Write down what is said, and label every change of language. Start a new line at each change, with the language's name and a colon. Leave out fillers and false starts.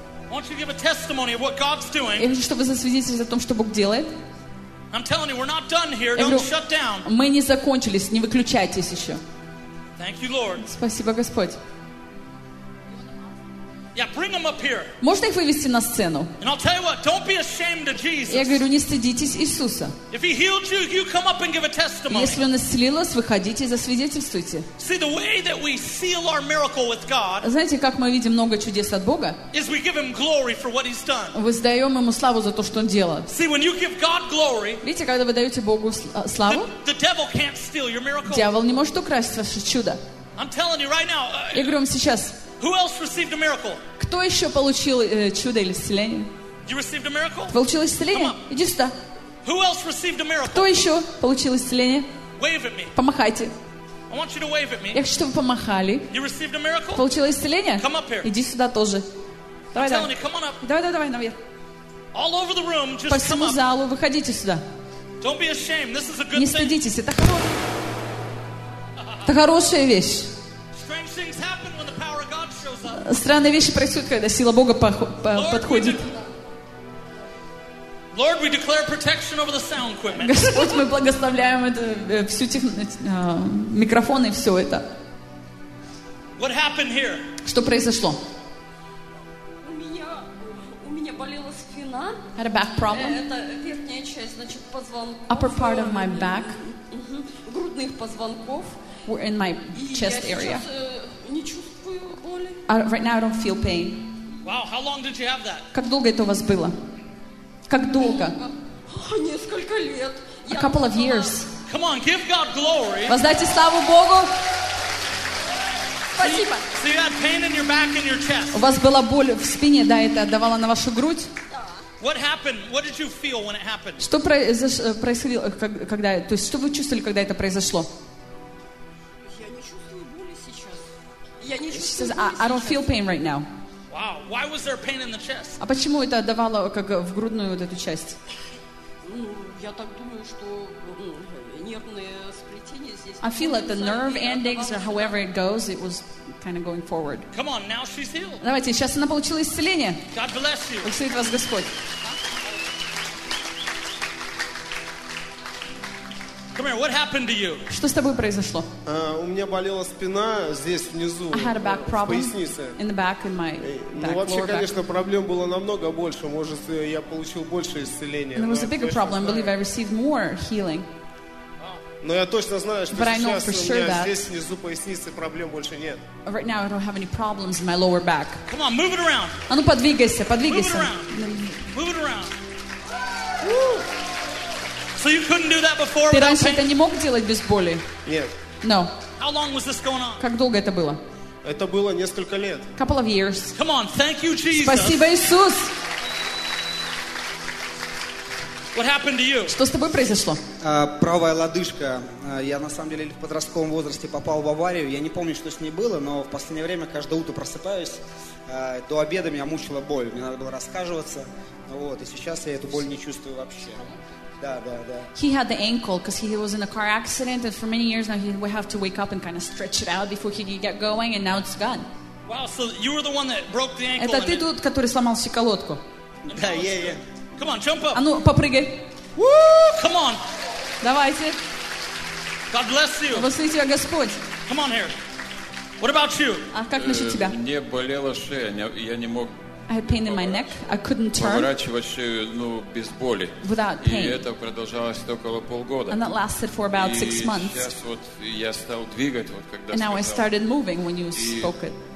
English: I want you to give a testimony of what God's doing.
Russian: Я хочу, чтобы вы засвидетельствовали о том, что Бог делает.
English: I'm telling you, we're not done here. Don't shut down.
Russian: Мы не закончились, не выключайтесь еще.
English: Thank you, Lord.
Russian: Спасибо, Господь.
English: Yeah, bring them up here.
Russian: Можно их вывести на сцену?
English: And I'll tell you what, don't be ashamed of Jesus.
Russian: Я говорю, не стыдитесь Иисуса.
English: If he healed you, you come up and give a testimony.
Russian: Если он исцелил вас, выходите и засвидетельствуйте.
English: See, the way that we seal our miracle with God.
Russian: Знаете, как мы видим много чудес от Бога?
English: Is we give him glory for what he's done.
Russian: Воздаем ему славу за то, что он делает.
English: See, when you give God glory.
Russian: Видите, когда вы даете Богу славу?
English: The devil can't steal your miracle.
Russian: Дьявол не может украсть ваше чудо.
English: I'm telling you right now.
Russian: Я говорю вам сейчас.
English: Who else received a miracle?
Russian: Кто еще получил чудо или исцеление?
English: You received a miracle?
Russian: Получил исцеление? Иди сюда.
English: Who else received a miracle?
Russian: Кто еще получил исцеление?
English: Wave at me.
Russian: Помахайте.
English: I want you to wave at me.
Russian: Я хочу, чтобы вы помахали.
English: You received a miracle?
Russian: Получил исцеление?
English: Come up here.
Russian: Иди сюда тоже. Давай,
English: I'm telling you, come on up.
Russian: Давай, давай, давай, наверх.
English: All over the room, just
Russian: по всему
English: come
Russian: залу
English: up.
Russian: Выходите сюда.
English: Don't be ashamed. This is a good
Russian: не стыдитесь,
English: thing.
Russian: Это, это хорошая вещь.
English: Strange things happen when the power of God shows up.
Russian: Странные вещи происходят, когда сила Бога подходит.
English: Lord, Lord, we declare protection over the sound equipment.
Russian: Господь, мы благословляем это, всю микрофон и все это.
English: What happened here?
Russian: Что произошло? У меня болела спина.
English: I had a back problem.
Russian: Это верхняя часть, значит, позвонков.
English: Upper part of my back.
Russian: Грудных позвонков.
English: Were in my chest area.
Russian: Не чувствую боли.
English: Right now I don't feel pain. Wow, how long did you have that?
Russian: Как долго это у вас было? Как долго? Несколько лет.
English: A couple of years. Come on, give God glory.
Russian: Воздайте славу Богу. Спасибо.
English: So you had pain in your back and your chest.
Russian: У вас была боль в спине, да, это давало на вашу грудь?
English: What happened? What did you feel when it happened?
Russian: Что происходило, когда, то есть, что вы чувствовали, когда это произошло? Я не чувствую боли сейчас. Я не чувствую.
English: She says, I don't feel pain right now. Wow, why was there pain in the chest?
Russian: А почему это давало как в грудную вот эту часть? Ну, я так думаю, что нервные сплетения здесь.
English: I feel like the nerve endings or however it goes, it was kind of going forward. Come on, now she's healed.
Russian: Давайте, сейчас она получила исцеление.
English: God bless you.
Russian: Благословит вас Господь.
English: Come here, what happened to you?
Russian: Что с тобой произошло? У меня болела спина здесь внизу.
English: I had a back problem.
Russian: В пояснице.
English: In the back, in my back.
Russian: Ну, вообще,
English: lower
Russian: конечно,
English: back.
Russian: Проблем было намного больше. Может, я получил больше исцеления.
English: And there was a bigger problem. I believe I received more healing.
Russian: Но я точно знаю, что сейчас у меня здесь внизу поясницы проблем больше нет.
English: Right now I don't have any problems in my lower back. Come on, move it around.
Russian: А ну подвигайся, подвигайся.
English: Move it around. So you couldn't do that before?
Russian: Ты раньше это не мог делать без боли? Нет.
English: No. How long was this going on?
Russian: Как долго это было? Это было несколько лет.
English: Couple of years. Come on, thank you, Jesus.
Russian: Спасибо, Иисус.
English: What happened to you?
Russian: Что с тобой произошло? Правая лодыжка. Я на самом деле в подростковом возрасте попал в аварию. Я не помню, что с ней было, но в последнее время каждое утро просыпаюсь. До обеда меня мучила боль. Мне надо было раскаживаться. Вот. И сейчас я эту боль не чувствую вообще.
English: He had the ankle because he was in a car accident, and for many years now he would have to wake up and kind of stretch it out before he could get going, and now it's gone. Wow, so you were the one that broke the ankle.
Russian: Это ты тот, который сломал щиколотку. Да,
English: yeah. Come on, jump up.
Russian: А ну, попрыгай.
English: Woo! Come on.
Russian: Давайте.
English: God bless you.
Russian: Благослови тебя Господь.
English: Come on here. What about you?
Russian: А как насчет тебя? Мне болела шея, я не мог.
English: I had pain in my neck. I couldn't turn.
Russian: Поворачивать шею, ну, без боли.
English: Without pain.
Russian: И это продолжалось около полгода.
English: And that lasted for about 6 months.
Russian: И сейчас вот я стал двигать, вот когда.
English: And now I started moving when you spoke it.